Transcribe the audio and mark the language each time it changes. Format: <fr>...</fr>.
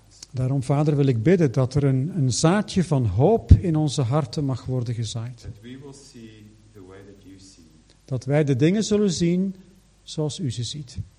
<nl>Daarom, Vader, wil ik bidden dat er een zaadje van hoop in onze harten mag worden gezaaid.</nl> <en>That we will see the way that you see.</en> <nl>Dat wij de dingen zullen zien zoals u ze ziet.</nl>